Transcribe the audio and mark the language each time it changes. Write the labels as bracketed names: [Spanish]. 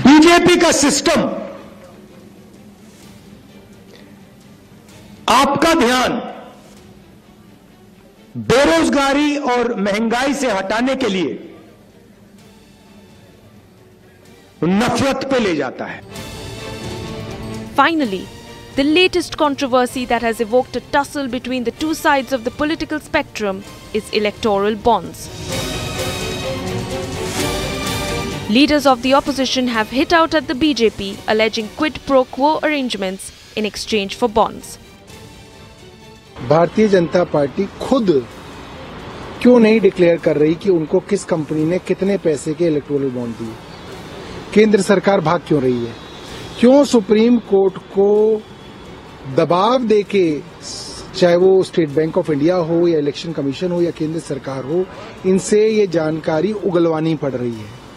[Hindi] BJP का system, आपका ध्यान बेरोजगारी और महंगाई से हटाने के लिए नफरत पे ले जाता है। [English] Finally the latest controversy that has evoked a tussle between the two sides of the political spectrum is electoral bonds. Leaders of the opposition have hit out at the BJP, alleging quid pro quo arrangements in exchange for bonds. [Hindi] Bharatiya Janata party खुद क्यों नहीं declare कर रही कि उनको किस company ने कितने पैसे के इलेक्टोरल बॉन्ड दिए? केंद्र सरकार भाग क्यों रही है? क्यों सुप्रीम कोर्ट को दबाव देके, चाहे वो स्टेट बैंक ऑफ इंडिया हो या इलेक्शन कमीशन हो या केंद्र सरकार हो, इनसे ये जानकारी उगलवानी पड़ रही है?